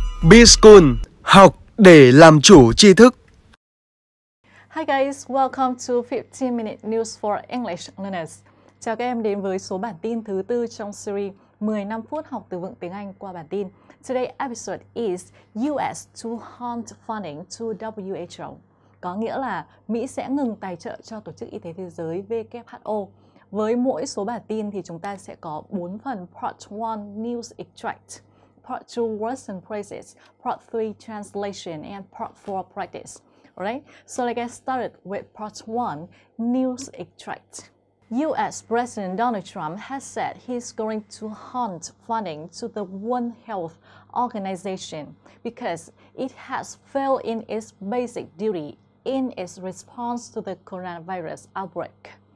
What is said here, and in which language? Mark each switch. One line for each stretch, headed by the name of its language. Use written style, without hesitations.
Vietnamese: B-School, học để làm chủ tri thức.
English: Hi guys, welcome to 15 minute news for English learners.
Vietnamese: Chào các em đến với số bản tin thứ tư trong series 15 phút học từ vựng tiếng Anh qua bản tin.
English: Today's episode is US to halt funding to WHO.
Vietnamese: Có nghĩa là Mỹ sẽ ngừng tài trợ cho Tổ chức Y tế Thế giới WHO. Với mỗi số bản tin thì chúng ta sẽ có 4 phần:
English: Part 1 News Extract, Part 2 Words and Phrases, Part 3 Translation, and Part 4 Practice. Alright, so let's get started with Part 1 News Extract. US President Donald Trump has said he's going to halt funding to the World Health Organization because it has failed in its basic duty in its response to the coronavirus outbreak.